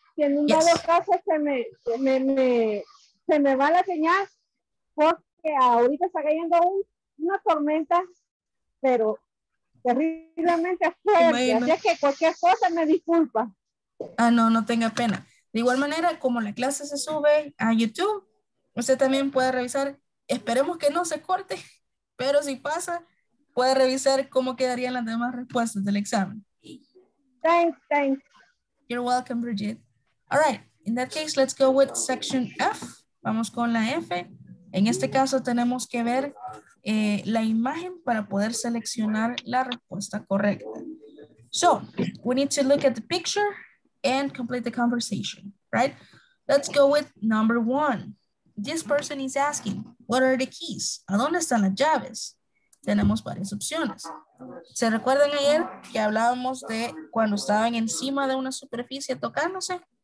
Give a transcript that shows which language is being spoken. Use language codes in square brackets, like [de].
[es] Si en un dado caso se me va la señal, porque ahorita está cayendo una tormenta, pero terriblemente fuerte, así que cualquier cosa me disculpa. Ah, no, no tenga pena. De igual manera, como la clase se sube a YouTube, usted también puede revisar, esperemos que no se corte, pero si pasa, puede revisar cómo quedarían las demás respuestas del examen. [en] Thanks. You're welcome, Bridget. All right, in that case, let's go with section F. [es] Vamos con la F. En este caso, tenemos que ver la imagen para poder seleccionar la respuesta correcta. [en] So, we need to look at the picture and complete the conversation, right? Let's go with number one. This person is asking, what are the keys? [es] ¿A dónde están las llaves? Tenemos varias opciones. ¿Se recuerdan ayer que hablábamos de cuando estaban encima de una superficie tocándose?